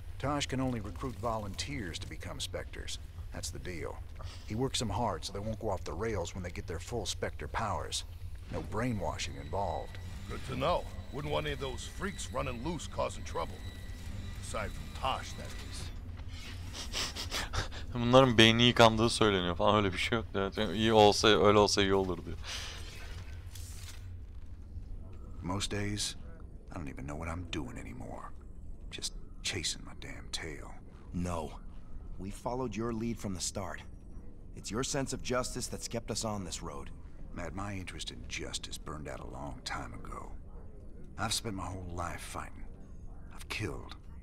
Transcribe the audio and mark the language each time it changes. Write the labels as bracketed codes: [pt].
[en] Tosh can only recruit volunteers to become Spectres. That's the deal. He works them hard so they won't go off the rails when they get their full Spectre powers. No brainwashing involved. Good to know. Wouldn't want any of those freaks running loose causing trouble. Aside from Tosh, that is. [tr] Bunların beyni yıkandığı söyleniyor falan, öyle bir şey yok. Evet, iyi olsa, öyle olsa iyi olur diyor. [en] Most days, I don't even know what I'm doing anymore. Just chasing my damn tail. No. We followed your lead from the start. It's your sense of justice that's kept us on this road. Matt, my interest in justice burned out a long time ago. I've spent my whole life fighting. I've killed.